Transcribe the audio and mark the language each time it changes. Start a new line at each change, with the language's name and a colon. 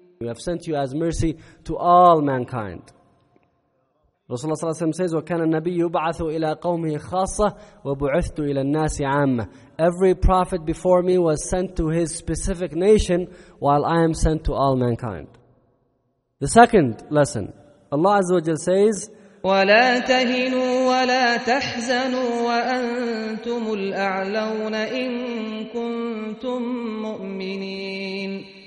English: We have sent you as mercy to all mankind.
Arabic: Rasulullah صلى الله عليه وسلم says, وَكَانَ النَّبِيُّ يُبْعَثُ إِلَى قَوْمِهِ خَاصَّةً وَبُعِثْتُ إِلَى النَّاسِ عَامَّةً.
English: Every prophet before me was sent to his specific nation, while I am sent to all mankind. The second lesson, Allah Azza wa Jal says,
Arabic: وَلَا تَهِنُوا وَلَا تَحْزَنُوا وَأَنْتُمُ الْأَعْلَوْنَ إِن كُنْتُم مُؤْمِنِينَ.